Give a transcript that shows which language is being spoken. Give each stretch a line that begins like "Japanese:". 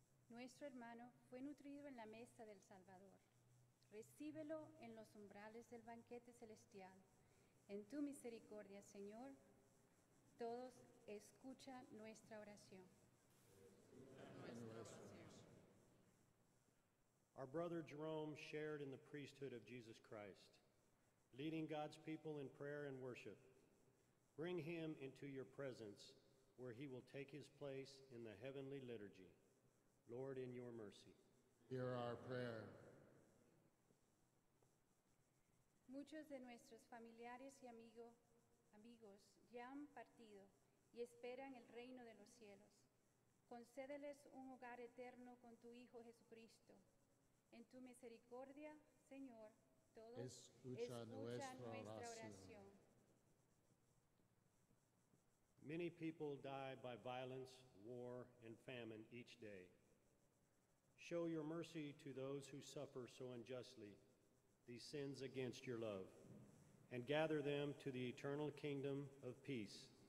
Spanish: Nuestro hermano fue nutrido en la mesa del Salvador. Recíbelo en los umbrales del banquete celestial. En tu misericordia, Señor, todos escucha nuestra oración.
English: Our brother Jerome shared in the priesthood of Jesus Christ, leading God's people in prayer and worship. Bring him into your presence, where he will take his place in the heavenly liturgy. Lord, in your mercy. Hear our prayer.
Spanish: Muchos de nuestros familiares y amigos ya han partido y esperan el reino de los cielos. Concédeles un hogar eterno con tu Hijo Jesucristo. En tu misericordia, Señor, todos escucha nuestra oración.
English: Many people die by violence, war, and famine each day. Show your mercy to those who suffer so unjustly these sins against your love, and gather them to the eternal kingdom of peace.